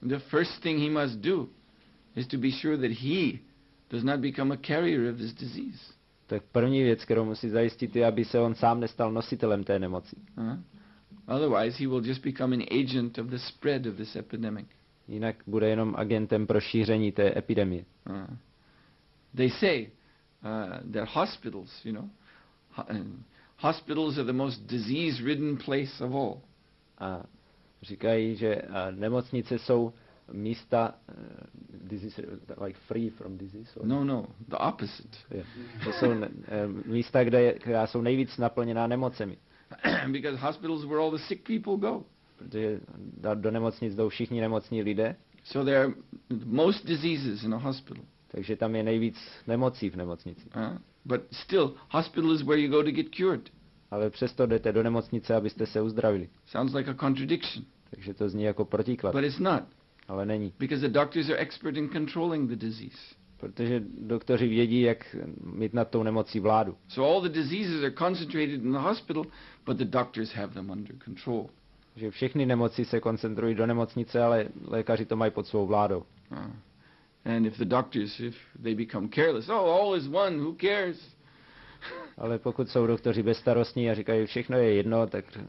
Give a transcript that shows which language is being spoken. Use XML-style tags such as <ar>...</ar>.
<en>the first thing he must do is to be sure that he does not become a carrier of this disease.</en> <cs>Tak první věc, kterou musí zajistit, je, aby se on sám nestal nositelem té nemoci.</cs> <en>Otherwise he will just become an agent of the spread of this epidemic.</en> <cs>Jinak bude jenom agentem pro šíření té epidemie.</cs> <en>They say that hospitals, you know, hospitals are the most disease-ridden place of all.</en> <cs>A říkají, že nemocnice jsou místa</cs> <en>disease, like free from disease. Or? No, the opposite. Yeah.</en> <cs>To jsou místa, která jsou nejvíc naplněná nemocemi.</cs> <en>Because hospitals where all the sick people go.</en> <cs>Protože do nemocnic jdou všichni nemocní lidé.</cs> <en>So there are most diseases in a hospital.</en> <cs>Takže tam je nejvíc nemocí v nemocnici.</cs> <en>But still, hospital is where you go to get cured.</en> <cs>Ale přesto jdete do nemocnice, abyste se uzdravili.</cs> <en>Sounds like a contradiction.</en> <cs>Takže to zní jako protiklad.</cs> <en>But it's not.</en> <cs>Ale není.</cs> <en>Because the doctors are expert in controlling the disease.</en> <cs>Protože doktoři vědí, jak mít nad tou nemocí vládu.</cs> <en>So all the diseases are concentrated in the hospital, but the doctors have them under control.</en> <cs>Že všechny nemoci se koncentrují do nemocnice, ale lékaři to mají pod svou vládou.</cs> <en>And if the doctors, if they become careless, oh, all is one, who cares?</en> <cs>Ale pokud jsou doktoři bezstarostní a říkají, všechno je jedno, tak</cs>